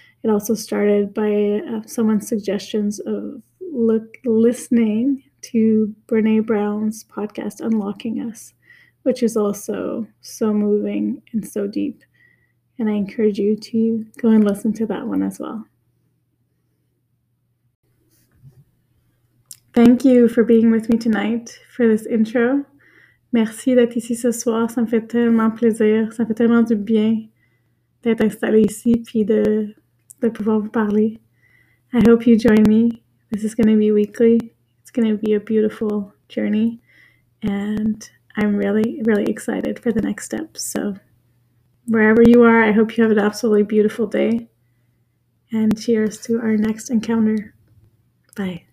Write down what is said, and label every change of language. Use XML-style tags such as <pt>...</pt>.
<en>It also started by someone's suggestions of listening to Brené Brown's podcast, Unlocking Us, which is also so moving and so deep. And I encourage you to go and listen to that one as well. Thank you for being with me tonight for this intro.</en> <fr>Merci d'être ici ce soir. Ça me fait tellement plaisir. Ça fait tellement du bien d'être installé ici puis de pouvoir vous parler.</fr> <en>I hope you join me. This is going to be weekly. It's going to be a beautiful journey. And I'm really, really excited for the next step. So wherever you are, I hope you have an absolutely beautiful day. And cheers to our next encounter. Bye.</en>